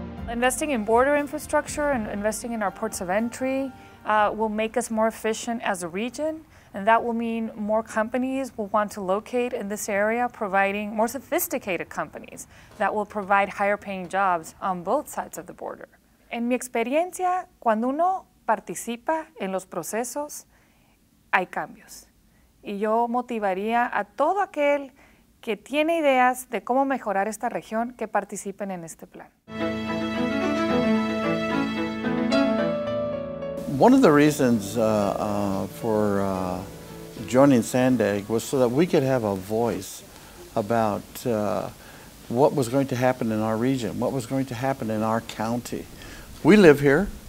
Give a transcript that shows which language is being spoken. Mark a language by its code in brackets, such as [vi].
[en] Investing in border infrastructure and investing in our ports of entry will make us more efficient as a region, and that will mean more companies will want to locate in this area, providing more sophisticated companies that will provide higher paying jobs on both sides of the border. [es] En mi experiencia, cuando uno participa en los procesos, hay cambios. Y yo motivaría a todo aquel que tiene ideas de cómo mejorar esta región que participen en este plan. [en] One of the reasons for joining SANDAG was so that we could have a voice about what was going to happen in our region, what was going to happen in our county. We live here.